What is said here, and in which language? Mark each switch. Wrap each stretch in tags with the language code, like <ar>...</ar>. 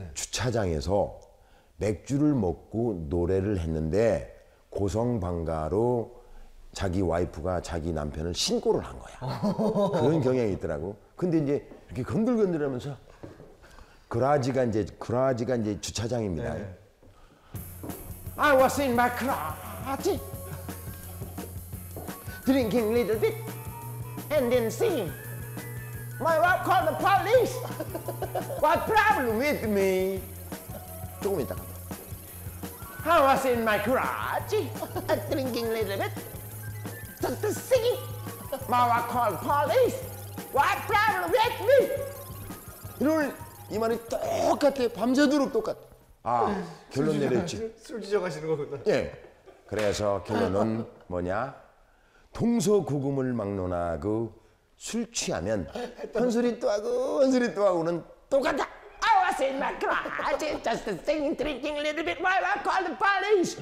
<ko>주차장에서 맥주를 먹고 노래를 했는데 고성방가로 자기 와이프가 자기 남편을 신고를 한 거야. 그런 경향이 있더라고. 근데 이제 이렇게 건들건들 하면서 그라지가 이제 주차장입니다. 네.</ko> <en>I was in my garage drinking a little bit and then see my wife called the police. What problem with me?</en> <ko>조금 있다가</ko> <en>I was in my garage, drinking a little bit, just to see. My wife called the police. What problem with me?</en> <ko>이런 이 말이 똑같아. 밤새도록 똑같아. 아, 결론 내렸지. 술 지적하시는 거구나. 예. 그래서 결론은 뭐냐? 동서고금을 막론하고 술 취하면 헌술이 또 하고 헌술이 또 하고는 똑같아.</ko> <en>In my garage, just singing, drinking a little bit while I call the police.</en>